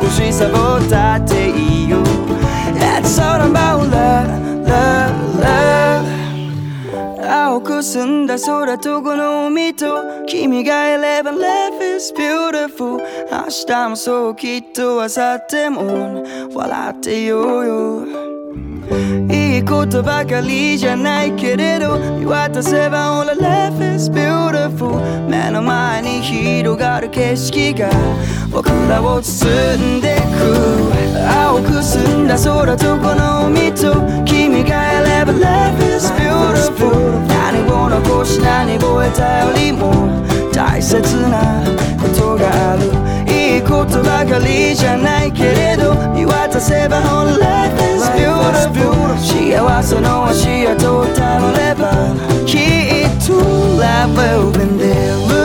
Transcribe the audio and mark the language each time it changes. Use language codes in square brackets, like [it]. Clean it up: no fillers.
[en] It's all about love, love, love. [ja] 青く澄んだ空とこの海と 君がいれば [en] life is beautiful. [ja] 明日もそうきっと明後日も 笑ってようよ。いいことばかりじゃないけれど 見渡せば [en] all life is beautiful. [ja] 目の前に広がる景色が 僕らを包んでく。青く澄んだ空とこの海と 君がいれば [en] life is beautiful. [ja] 何を残し何を得たよりも 大切なことがある。いいことばかりじゃないけれど 見渡せば [en] all life is beautiful. [ja] 幸せの足跡をたどれば [en] key to love will be there.